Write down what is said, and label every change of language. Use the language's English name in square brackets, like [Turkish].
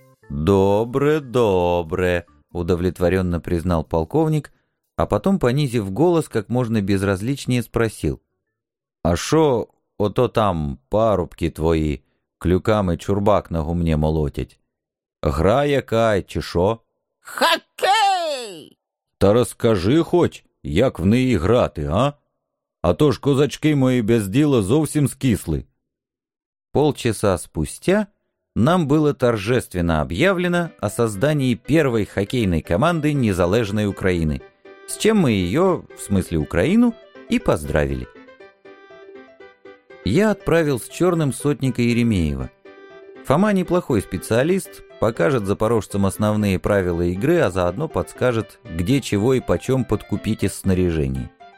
[Russian] «Добре, добре», — удовлетворенно признал полковник, а потом, понизив голос, как можно безразличнее спросил. [Ukrainian] «А шо, ото там парубки твои клюками чурбак на гумне молотять? Гра якая, чи шо?» [Russian] «Хоккей!» [Ukrainian] «Та розкажи хоч, як в неї грати, а? А то ж козачки мої без діла зовсім скисли». [Russian] Полчаса спустя нам было торжественно объявлено о создании первой хоккейной команды незалежной Украины, с чем мы ее, в смысле Украину, и поздравили. Я отправил с Черным сотника Еремеева. Фома неплохой специалист, покажет запорожцам основные правила игры, а заодно подскажет, где чего и почем подкупить из снаряжения.